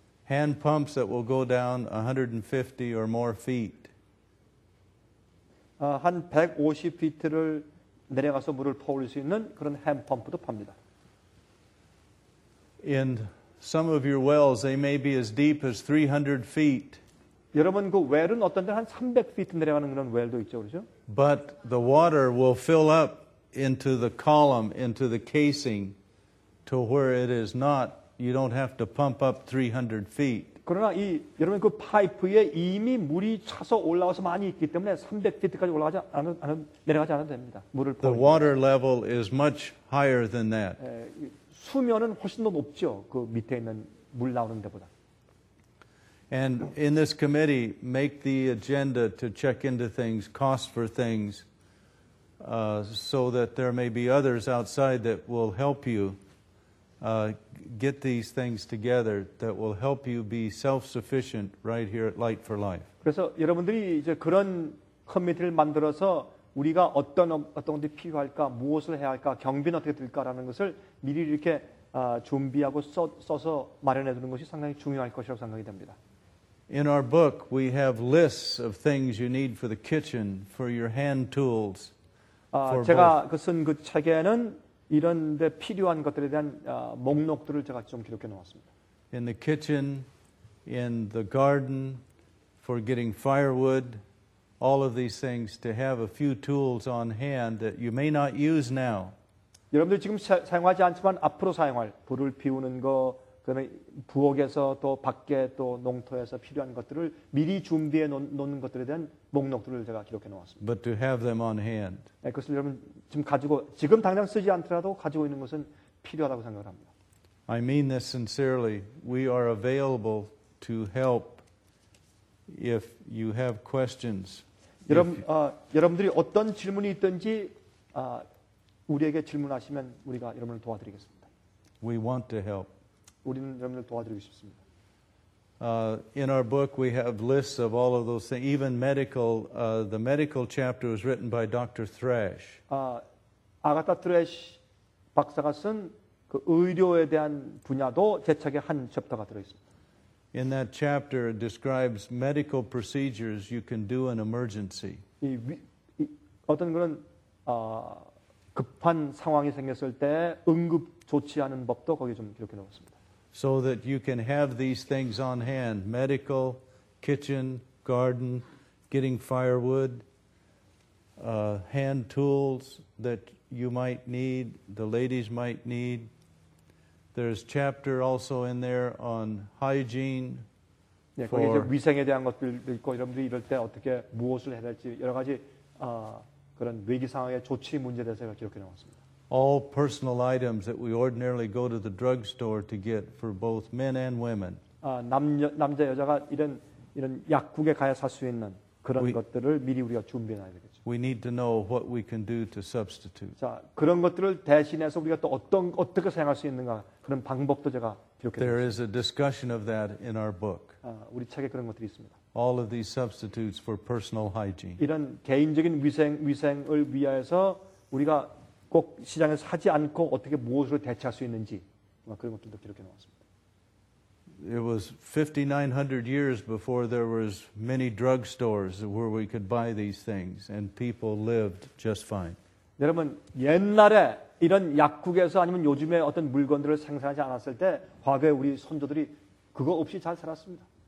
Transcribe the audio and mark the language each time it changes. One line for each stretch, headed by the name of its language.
English: Hand pumps that will go down 150 or more feet.
Korean: 한 150피트를 내려가서 물을 퍼올릴 수 있는 그런 핸펌프도 팝니다.
English: In some of your wells, they may be as deep as 300 feet.
Korean: 여러분 그 웰은 어떤 데는 한 300피트 내려가는 그런 웰도 있죠, 그렇죠?
English: But the water will fill up into the column, into the casing, to where it is not. You don't have to pump up 300 feet.
Korean: 그러나 이 여러분 그 파이프에 이미 물이 차서 올라와서 많이 있기 때문에 300피트까지 올라가지 내려가지 않아도 됩니다. 물을
English: The water level is much higher than that.
Korean: 수면은 훨씬 더 높죠. 그 밑에 있는 물 나오는 데보다.
English: And in this committee, make the agenda to check into things, cost for things, so that there may be others outside that will help you. Get these things together that will help you be self-sufficient right here at Light for Life.
Korean: 그래서 여러분들이 이제 그런 커뮤니티를 만들어서 우리가 어떤 것이 필요할까, 무엇을 해야 할까, 경비는 어떻게 들까라는 것을 미리 이렇게 준비하고 써서 마련해 두는 것이 상당히 중요할 것이라고 생각이 됩니다.
English: In our book, we have lists of things you need for the kitchen, for your hand tools.
Korean: 제가 쓴 그 책에는 이런 데 필요한 것들에 대한 목록들을 제가 좀 기록해 놓았습니다.
English: In the kitchen, in the garden, for getting firewood, all of these things to have a few tools on hand that you may not use now.
Korean: 여러분들 지금 사용하지 않지만 앞으로 사용할 불을 피우는 거, 그다음에 부엌에서 또 밖에 또 농터에서 필요한 것들을 미리 준비해 놓는 것들에 대한 목록들을 제가 기록해 놓았습니다.
English: But to have them on hand.
Korean: 네, 그것을 여러분 지금 가지고 지금 당장 쓰지 않더라도 가지고 있는 것은 필요하다고 생각을 합니다.
English: I mean this sincerely. We are available to help if you have questions.
Korean: 여러분 여러분들이 어떤 질문이 있든지 우리에게 질문하시면 우리가 여러분을 도와드리겠습니다.
English: We want to help.
Korean: 우리는 여러분을 도와드리고 싶습니다.
English: In our book, we have lists of all of those things. Even medical, the medical chapter was written by Dr. Thrash.
Korean: 아가타 트래쉬 박사가 쓴 그 의료에 대한 분야도 제척의 한 챕터가 들어 있습니다.
English: In that chapter, it describes medical procedures you can do in emergency.
Korean: 어떤 그런 급한 상황이 생겼을 때 응급 조치하는 법도 거기 좀 기록해 놓았습니다.
English: So that you can have these things on hand, medical, kitchen, garden, getting firewood, hand tools that you might need, the ladies might need. There's chapter also in there on hygiene.
Korean: 네, 거기 이제 위생에 대한 것들도 있고 여러분들이 이럴 때 어떻게 무엇을 해야 할지 여러 가지 그런 위기 상황의 조치 문제에 대해서 기록해 놓았습니다.
English: All personal items that we ordinarily go to the drugstore to get for both men and women.
Korean: 남자 여자가 이런 약국에 가야 살 수 있는 그런 것들을 미리 우리가 준비해야 되겠죠.
English: We need to know what we can do to substitute.
Korean: 자, 그런 것들을 대신해서 우리가 또 어떻게 사용할 수 있는가 그런 방법도 제가 기록했습니다.
English: There is a discussion of that in our book.
Korean: 우리 책에 그런 것들이 있습니다.
English: All of these substitutes for personal hygiene.
Korean: 이런 개인적인 위생을 위하여서 우리가 꼭 시장에서 하지 않고 어떻게 무엇으로 대체할 수 있는지 그런 것들도 기록해 놓았습니다.
English: It was 5,900 years before there was many drug stores where we could buy these things, and people lived just fine.
Korean: 여러분 옛날에 이런 약국에서 아니면 요즘에 어떤 물건들을 생산하지 않았을 때 과거에 우리 선조들이 그거 없이 잘 살았습니다.